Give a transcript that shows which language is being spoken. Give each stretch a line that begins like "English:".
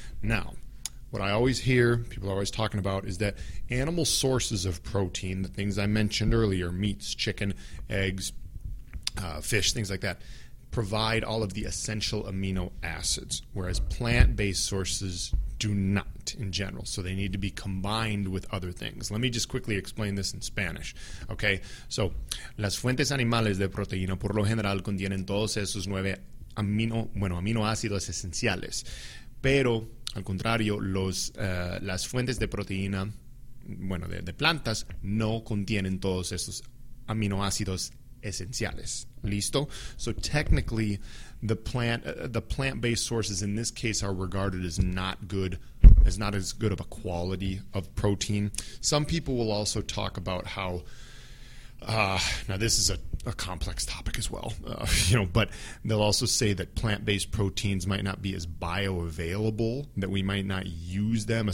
English: Now, what I always hear, people are always talking about, is that animal sources of protein, the things I mentioned earlier, meats, chicken, eggs, fish, things like that, provide all of the essential amino acids, whereas plant-based sources do not in general. So they need to be combined with other things. Let me just quickly explain this in Spanish. Okay, so
Spanish: las fuentes animales de proteína por lo general contienen todos esos nueve aminoácidos esenciales. Pero, al contrario, las fuentes de proteína, bueno, de plantas, no contienen todos esos aminoácidos esenciales. ¿Listo?
English: So technically, the plant-based sources in this case are regarded as not as good of a quality of protein. Some people will also talk about how, now this is a complex topic as well, but they'll also say that plant-based proteins might not be as bioavailable, that we might not use them.